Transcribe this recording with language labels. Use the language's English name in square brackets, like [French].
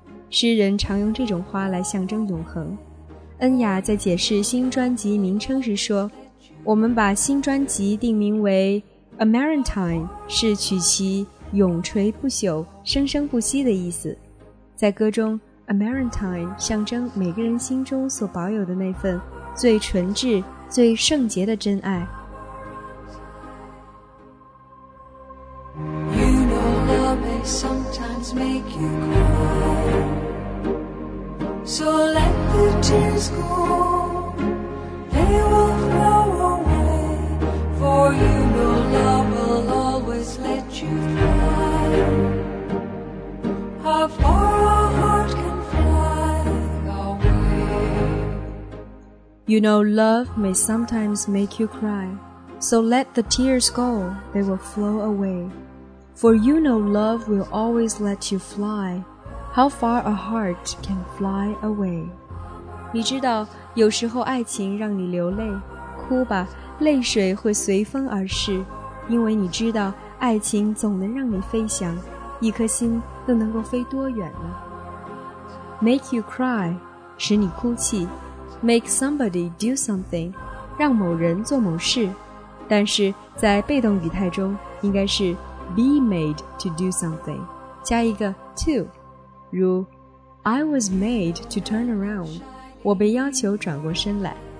[Chinese] 诗人常用这种花来象征永恒。恩雅在解释新专辑名称时说，我们把新专辑定名为 A Maritime， 是取其永垂不朽、生生不息的意思。在歌中， A Maritime 象征每个人心中所保有的那份最纯挚、最圣洁的真爱。 [English] You know love may sometimes make you cry, so let the tears go, they will flow away. For you know love will always let you fly. How far a heart can fly away. You know love may sometimes make you cry. So let the tears go, they will flow away. For you know love will always let you fly. How far a heart can fly away. [Chinese] 你知道，有时候爱情让你流泪，哭吧，泪水会随风而逝，因为你知道爱情总能让你飞翔，一颗心又能够飞多远呢？ [English] Make you cry， [Chinese] 使你哭泣。 [English] Make somebody do something， [Chinese] 让某人做某事。但是在被动语态中应该是 [English] be made to do something [Chinese] 加一个 to， 如 [English] I was made to turn around， [Chinese] 我被要求转过身来。